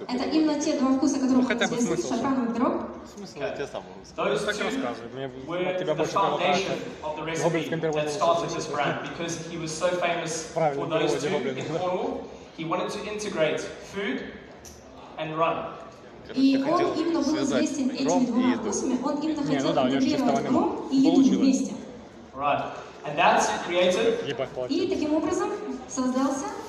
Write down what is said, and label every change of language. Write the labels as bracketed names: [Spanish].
[Russian] Это именно те два вкуса, которые мы здесь видим, шафрановый пирог. Смысл те самые. [English] Those two were the foundation of the recipe that started his brand because he was so famous for those two in Cornwall. He wanted to integrate food and run. [Russian] И он именно был известен этими двумя вкусами. Он именно хотел интегрировать ром и еду вместе. [English] Right, and that's created. [Russian] И таким образом создался.